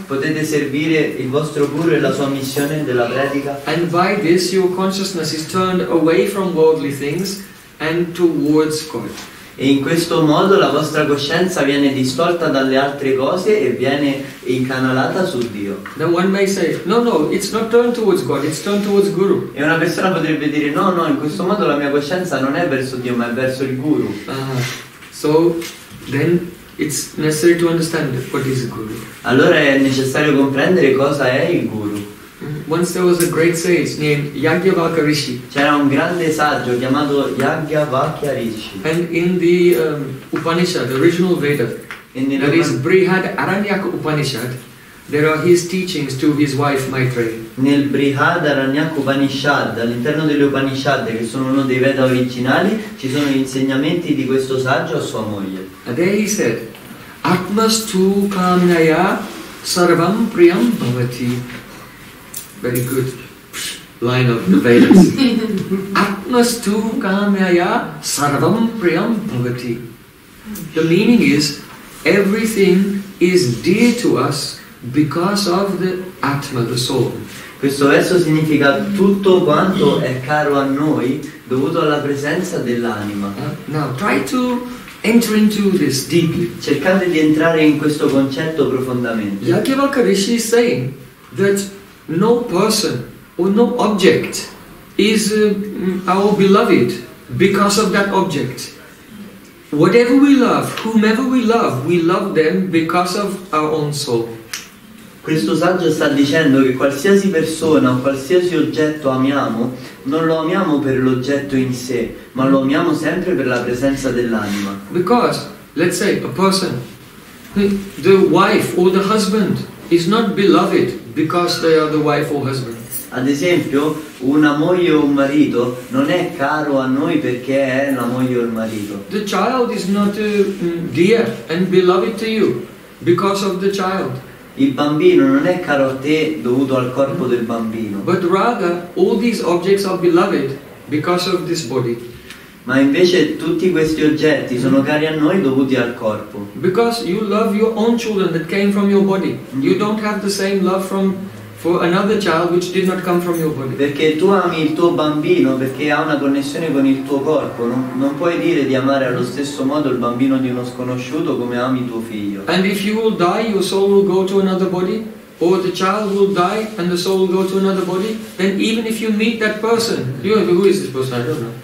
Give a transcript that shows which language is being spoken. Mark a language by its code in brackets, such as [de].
[it] Potete servire il vostro Guru e la sua missione della predica. [en] And by this your consciousness is turned away from worldly things and towards God. [it] E in questo modo la vostra coscienza viene distolta dalle altre cose e viene incanalata su Dio. [en] Then one may say, no, no, it's not turned towards God, it's turned towards Guru. [it] E una persona potrebbe dire, no, no, in questo modo la mia coscienza non è verso Dio, ma è verso il Guru. [en] So then it's necessary to understand what is a Guru. [it] Allora è necessario comprendere cosa è il Guru. [en] Once there was a great sage named Yajnavalkya Rishi. [it] C'era un grande saggio chiamato Yajnavalkya Rishi. [en] And in the Upanishad, the original Veda, that is Brihadaranyaka Upanishad, there are his teachings to his wife Maitreya. [it] Nel Brihadaranyaka Upanishad, all'interno delle Upanishad, che sono uno dei Veda originali, ci sono gli insegnamenti di questo saggio a sua moglie. [en] And there he said, [sa] Atmastu Kamnaya Sarvam Priyam Bhavati. [en] Very good line of the Vedas. [sa] Atmastu kamyaya sarvam priyam bhavati. [en] The meaning is, everything is dear to us because of the Atma, the soul. [it] Questo verso significa tutto quanto è caro a noi dovuto alla presenza dell'anima. [en] Now try to enter into this deeply. [it] Cercate di entrare in questo concetto profondamente. [en] Yajnavalkya Rishi is saying that no person or no object is our beloved because of that object. Whatever we love, whomever we love them because of our own soul. [it] Questo saggio sta dicendo che qualsiasi persona o qualsiasi oggetto amiamo, non lo amiamo per l'oggetto in sé, ma lo amiamo sempre per la presenza dell'anima. [en] Because, let's say, a person, the wife or the husband, is not beloved because they are the wife or husband. [it] Ad esempio, una moglie o un marito non è caro a noi perché è la moglie o il marito. [en] The child is not dear and beloved to you because of the child. [it] Il bambino non è caro a te dovuto al corpo del bambino. [en] But rather, all these objects are beloved because of this body. [it] Ma invece tutti questi oggetti sono cari a noi dovuti al corpo. [en] Because you love your own children that came from your body. You don't have the same love for another child which did not come from your body. [it] Perché tu ami il tuo bambino perché ha una connessione con il tuo corpo, non puoi dire di amare allo stesso modo il bambino di uno sconosciuto come ami tuo figlio. [en] And if you will die, your soul will go to another body, or the child will die and the soul will go to another body, then even if you meet that person, you know, who is this person? I don't know.